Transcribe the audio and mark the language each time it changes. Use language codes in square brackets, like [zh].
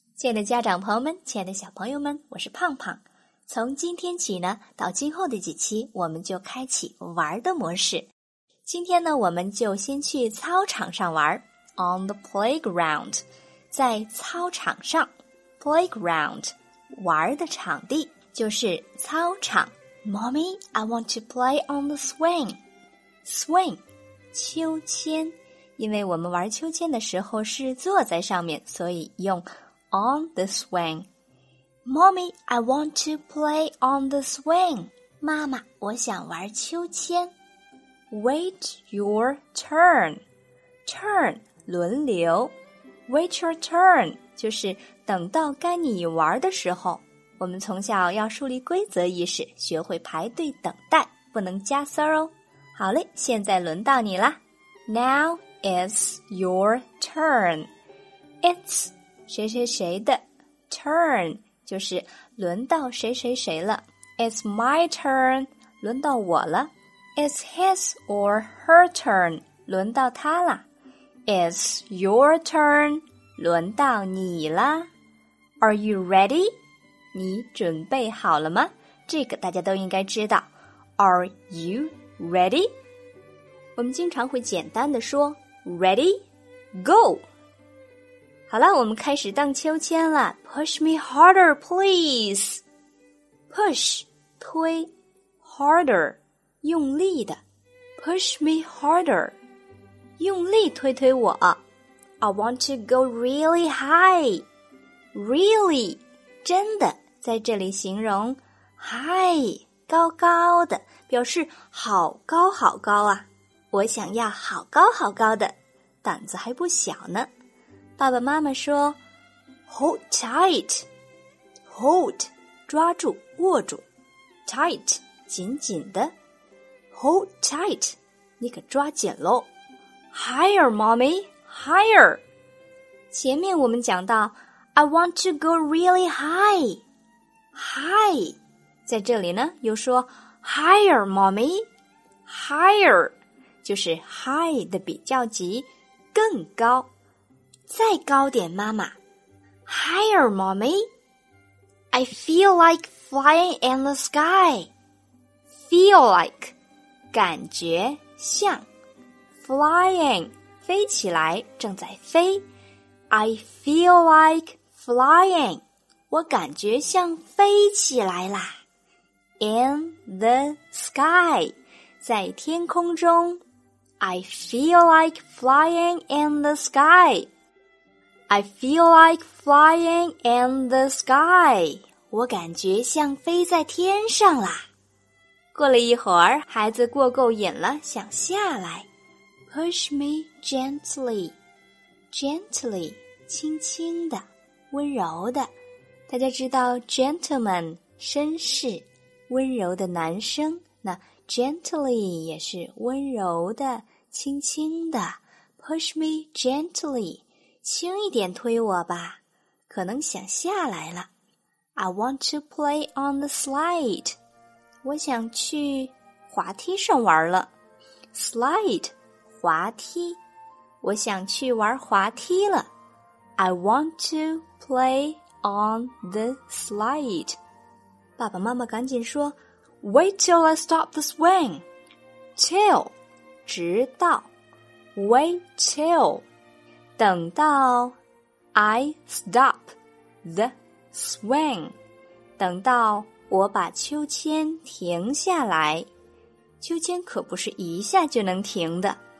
[zh] 亲爱的家长朋友们，亲爱的小朋友们，我是胖胖。从今天起呢，到今后的几期，我们就开启玩的模式。今天呢，我们就先去操场上玩 , [en] on the playground, [zh] 在操场上 ,playground, 玩的场地就是操场。 [en] Mommy, I want to play on the swing. Swing, [zh] 秋千。因为我们玩秋千的时候是坐在上面，所以用 [en] on the swing. Mommy, I want to play on the swing. [zh] 妈妈，我想玩秋千。 [en] Wait your turn. Turn, [zh] 轮流。 [en] Wait your turn, [zh] 就是等到该你玩的时候。我们从小要树立规则意识，学会排队等待，不能加塞哦。好嘞，现在轮到你啦。 [en] Now is your turn. It's [zh] 谁谁谁的 [en] turn [zh] 就是轮到谁谁谁了。 [en] It's my turn, [zh] 轮到我了。 [en] It's his or her turn, [zh] 轮到他啦。 [en] It's your turn, [zh] 轮到你啦。 [en] Are you ready? [zh] 你准备好了吗？这个大家都应该知道。 [en] Are you ready? [zh] 我们经常会简单的说 [en] Ready? Go! [zh] 好了，我们开始荡秋千了。 [en] Push me harder, please! Push, [zh] 推 [en] Harder, [zh] 用力的 [en] Push me harder, [zh] 用力推推我。 [en] I want to go really high. Really, [zh] 真的在这里形容 high, 高高的，表示好高好高啊。我想要好高好高的，胆子还不小呢。爸爸妈妈说 [en] hold tight, [zh] hold, 抓住握住 [en] tight, [zh] 紧紧的 [en] hold tight, [zh] 你可抓紧咯。 [en] Higher, mommy, higher. [zh] 前面我们讲到 [en] I want to go really high. [zh] Hi, 在这里呢又说 [en] Higher, mommy. Higher, [zh] 就是 high 的比较级，更高。再高点妈妈。 [en] Higher, mommy. I feel like flying in the sky. Feel like, [zh] 感觉像。 [en] Flying, [zh] 飞起来，正在飞。 [en] I feel like flying. [zh] 我感觉像飞起来啦。 [en] In the sky, [zh] 在天空中。 [en] I feel like flying in the sky. I feel like flying in the sky. [zh] 我感觉像飞在天上啦。过了一会儿，孩子过够瘾了，想下来。 [en] Push me gently, gently, [zh] 轻轻的，温柔的。大家知道 gentleman, 绅士，温柔的男生，那 [en] gently [zh] 也是温柔的，轻轻的。 [en] Push me gently, [zh] 轻一点推我吧，可能想下来了。 [en] I want to play on the slide, [zh] 我想去滑梯上玩了。 slide, 滑梯，我想去玩滑梯了。 [en] I want to playOn the slide. [zh] 爸爸妈妈赶紧说 [en] Wait till I stop the swing. Till, [zh] 直到 [en] Wait till, [zh] 等到 [en] I stop the swing. [zh] 等到我把秋千停下来。秋千可不是一下就能停的。